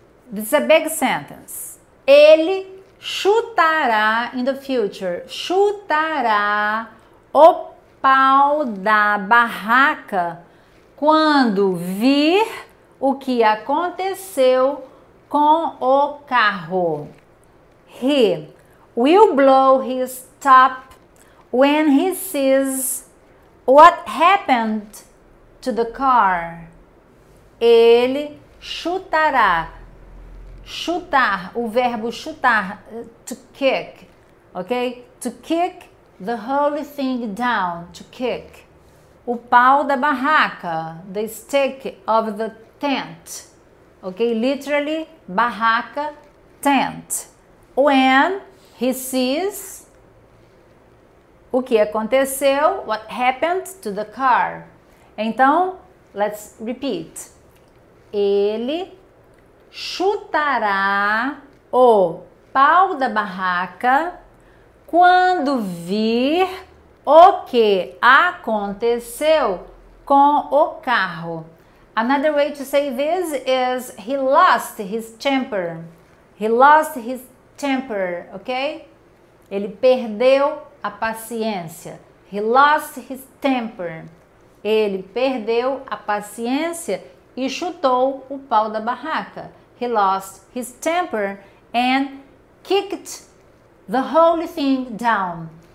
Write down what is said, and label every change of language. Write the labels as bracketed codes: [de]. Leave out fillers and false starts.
[en] This is a big sentence. [pt] Ele chutará [en] in the future. [pt] Chutará o pau da barraca quando vir o que aconteceu com o carro. [en] He will blow his top when he sees what happened to the car. [pt] Ele chutará. Chutar, o verbo chutar, [en] to kick, [pt] ok? [en] To kick the whole thing down, to kick. [pt] O pau da barraca, [en] the stick of the tent, ok? Literally, barraca, tent. When he sees [pt] o que aconteceu, [en] what happened to the car. Então, let's repeat. [pt] Ele chutará o pau da barraca quando vir o que aconteceu com o carro. [en] Another way to say this is he lost his temper. He lost his temper, ok? [pt] Ele perdeu a paciência. [en] He lost his temper. [pt] Ele perdeu a paciência e chutou o pau da barraca. [en] He lost his temper and kicked the whole thing down.